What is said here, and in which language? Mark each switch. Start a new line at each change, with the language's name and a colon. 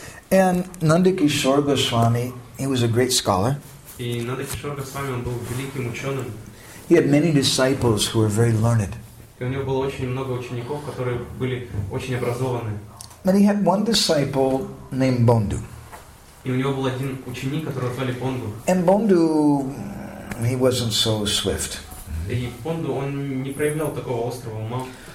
English: And Nandakishore Goswami, he was a great scholar.
Russian: И Нандакишор Госвами, он был великим ученым.
English: He had many disciples who were very learned.
Russian: И у него было очень много учеников, которые были очень образованы.
English: But he had one disciple named Bondu.
Russian: И у него был один ученик, которого звали Бонду.
English: And Bondu, he wasn't so swift.
Russian: И Бонду, он не проявлял такого острого ума.